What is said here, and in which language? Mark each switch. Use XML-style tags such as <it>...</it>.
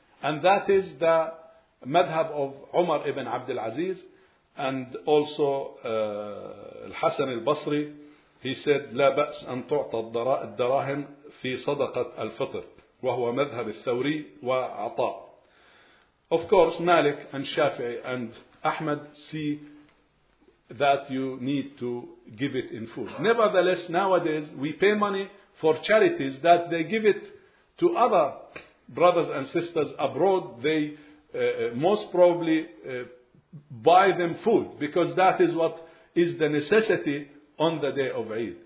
<en>And that is the madhab of Umar ibn Abd al-Aziz and also al-Hasan al-Basri. He said,</en> <ar>لا بأس أن تعطى الدراهم في صدقة الفطر وهو مذهب الثوري وعطاء.</ar> <en>Of course, Malik and Shafi'i and Ahmad see that you need to give it in food. Nevertheless, nowadays we pay money for charities that they give it to other brothers and sisters abroad. They most probably buy them food because that is what is the necessity on the day of Eid.</en>